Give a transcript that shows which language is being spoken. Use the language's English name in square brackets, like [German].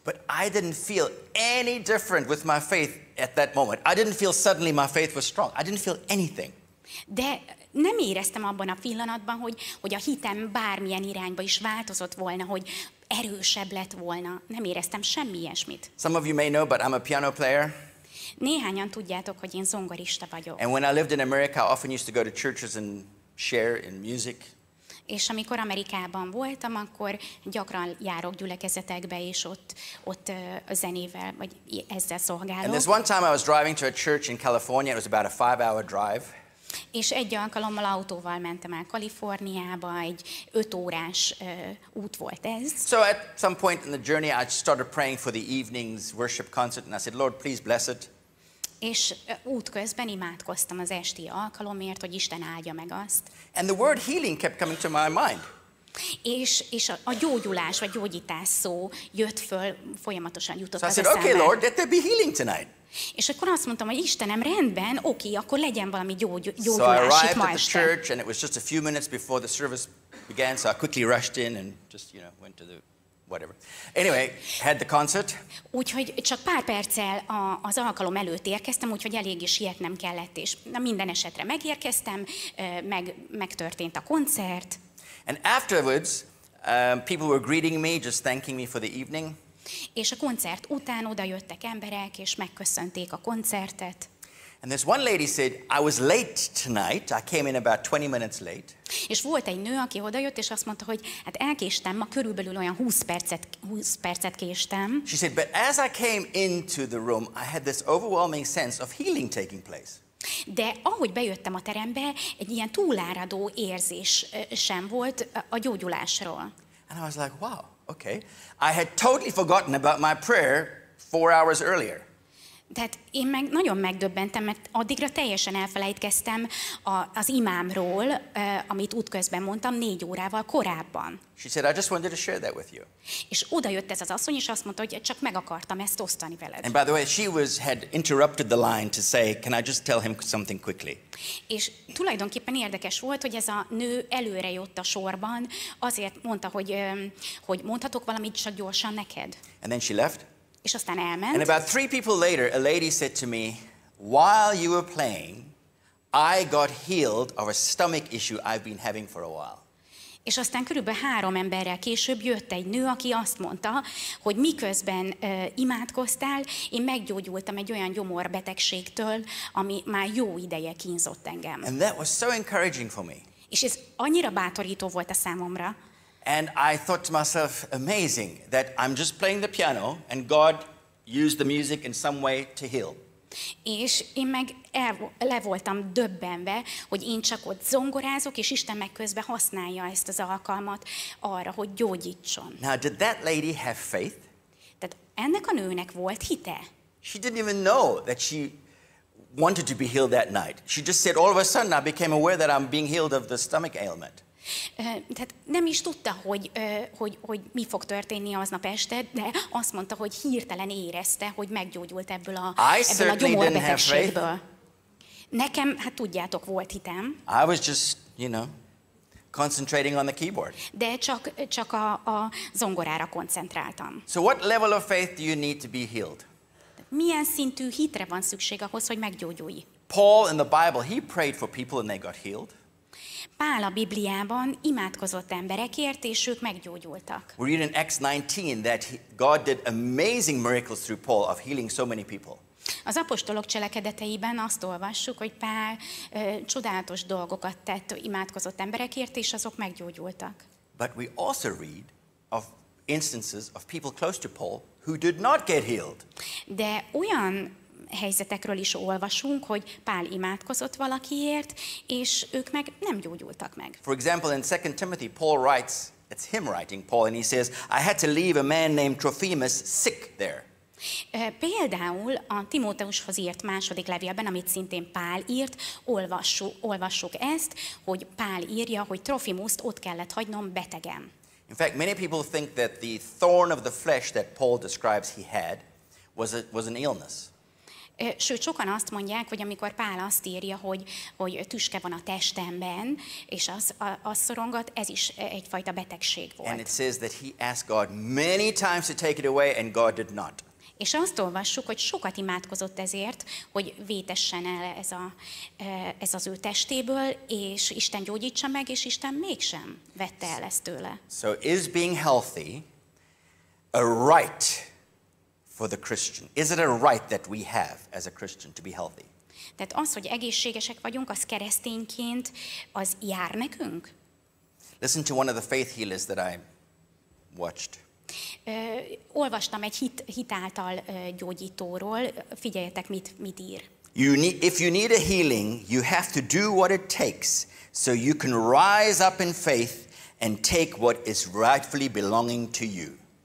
[English] But I didn't feel any different with my faith at that moment. I didn't feel suddenly my faith was strong. I didn't feel anything. [Hungarian] De nem éreztem abban a pillanatban, hogy a hitem bármilyen irányba is változott volna, hogy erősebb lett volna. Nem éreztem semmi ilyesmit. [English] Some of you may know, but I'm a piano player. [Hungarian] Néhányan tudjátok, hogy én zongorista vagyok. [English] And when I lived in America, I often used to go to churches and share in music. [Hungarian] És amikor Amerikában voltam, akkor gyakran járok gyülekezetekbe, és ott zenével, vagy ezzel szolgálok. [English] And there's one time I was driving to a church in California, it was about a 5-hour drive. [Hungarian] És egy alkalommal autóval mentem el Kaliforniába, egy 5 órás út volt ez. [English] So at some point in the journey I started praying for the evening's worship concert and I said, Lord, please bless it. [Hungarian] És útközben imádkoztam az esti alkalomért, hogy Isten áldja meg azt. [English] And the word healing kept coming to my mind. [Hungarian] És a gyógyulás vagy gyógyítás szó jött föl, folyamatosan jutott az eszembe. [English] Okay, Lord, let there be healing tonight. [Hungarian] És akkor azt mondtam, hogy Istenem, rendben, oké, akkor legyen valami gyógyulás itt ma este. [English] So I arrived at the church and it was just a few minutes before the service began, so I quickly rushed in and just, you know, went to the whatever. Anyway, had the concert. [Hungarian] Úgyhogy csak pár perccel az alkalom előtt érkeztem, úgyhogy elég is sietnem kellett, és na, minden esetre megérkeztem, megtörtént a koncert. [English] And afterwards, people were greeting me, just thanking me for the evening. [Hungarian] És a koncert után oda jöttek emberek, és megköszönték a koncertet. [English] And this one lady said, I was late tonight, I came in about 20 minutes late. [Hungarian] És volt egy nő, aki odajött, és azt mondta, hogy hát elkéstem, ma körülbelül olyan 20 percet késtem. [English] She said, but as I came into the room, I had this overwhelming sense of healing taking place. [Hungarian] De ahogy bejöttem a terembe, egy ilyen túláradó érzés sem volt a gyógyulásról. [English] And I was like, wow, okay. I had totally forgotten about my prayer 4 hours earlier. [Hungarian] Tehát én meg nagyon megdöbbentem, mert addigra teljesen elfelejtkeztem az imámról, amit útközben mondtam 4 órával korábban. [English] She said, I just wanted to share that with you. [Hungarian] És odajött ez az asszony, és azt mondta, hogy csak meg akartam ezt osztani veled. [English] And by the way, she was had interrupted the line to say, can I just tell him something quickly? [Hungarian] És tulajdonképpen érdekes volt, hogy ez a nő előre jött a sorban, azért mondta, hogy mondhatok valamit csak gyorsan neked. [English] And then she left. [Hungarian] És aztán elment. [English] And about 3 people later, a lady said to me, while you were playing, I got healed of a stomach issue I've been having for a while. [Hungarian] És aztán körülbelül 3 emberrel később jött egy nő, aki azt mondta, hogy miközben imádkoztál, én meggyógyultam egy olyan gyomorbetegségtől, ami már jó ideje kínzott engem. [English] And that was so encouraging for me. [Hungarian] És ez annyira bátorító volt a számomra. [English] And I thought to myself, amazing, that I'm just playing the piano and God used the music in some way to heal. [Hungarian] És én meg le voltam döbbenve, hogy én csak ott zongorázok, és Isten meg közben használja ezt az alkalmat arra, hogy gyógyítson. [English] Now, did that lady have faith? [Hungarian] Tehát ennek a nőnek volt hite. [English] She didn't even know that she wanted to be healed that night. She just said, all of a sudden I became aware that I'm being healed of the stomach ailment. [Hungarian] Tehát nem is tudta, hogy mi fog történni aznap este, de azt mondta, hogy hirtelen érezte, hogy meggyógyult ebből a gyomorbetegségből. Nekem, hát tudjátok, volt hitem. [English] I was just, you know, concentrating on the keyboard. [Hungarian] De csak a zongorára koncentráltam. [English] So what level of faith do you need to be healed? [Hungarian] Milyen szintű hitre van szükség ahhoz, hogy meggyógyulj? [English] Paul in the Bible, he prayed for people and they got healed. [Hungarian] Pál a Bibliában imádkozott emberekért, és ők meggyógyultak. [English] We read in Acts 19 that God did amazing miracles through Paul of healing so many people. [Hungarian] Az apostolok cselekedeteiben azt olvassuk, hogy Pál csodálatos dolgokat tett, imádkozott emberekért, és azok meggyógyultak. [English] But we also read of instances of people close to Paul who did not get healed. [Hungarian] De olyan helyzetekről is olvasunk, hogy Pál imádkozott valakiért, és ők meg nem gyógyultak meg. [English] For example, in 2 Timothy, Paul writes, it's him writing Paul, and he says, I had to leave a man named Trophimus sick there. [Hungarian] Például a Timóteushoz írt 2. levélben, amit szintén Pál írt, olvassuk ezt, hogy Pál írja, hogy Trophimust ott kellett hagynom betegem. [English] In fact, many people think that the thorn of the flesh that Paul describes he had was an illness. [Hungarian] Sőt, sokan azt mondják, hogy amikor Pál azt írja, hogy tüske van a testemben, és az szorongat, ez is egyfajta betegség volt. [English] And it says that he asked God many times to take it away, and God did not. [Hungarian] És azt olvassuk, hogy sokat imádkozott ezért, hogy vétessen el ez az ő testéből, és Isten gyógyítsa meg, és Isten mégsem vette el ezt tőle. [English] So is being healthy a right for the Christian? Is it a right that we have as a Christian to be healthy? [Hungarian] Tehát az, hogy egészségesek vagyunk, az keresztényként, az jár nekünk? Listen to one of the faith healers that I watched. Olvastam egy hit által gyógyítóról. Figyeljetek, mit ír. [English] If you need a healing, you have to do what it takes so you can rise up in faith and take what is rightfully belonging to you.